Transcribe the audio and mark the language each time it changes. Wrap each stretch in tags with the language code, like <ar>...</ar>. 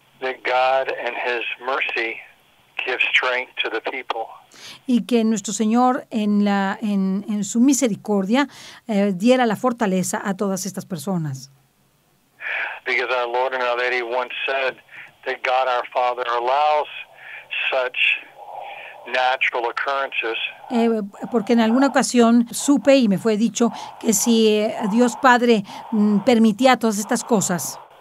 <en>That God and His mercy give strength to the people.</en> <es>Y que nuestro Señor en su misericordia diera la fortaleza a todas estas personas.</es> <en>Because our Lord and Our Lady once said that God our Father allows such natural occurrences.</en> <es>Porque en alguna ocasión supe y me fue dicho que si Dios Padre permitía todas estas cosas,</es>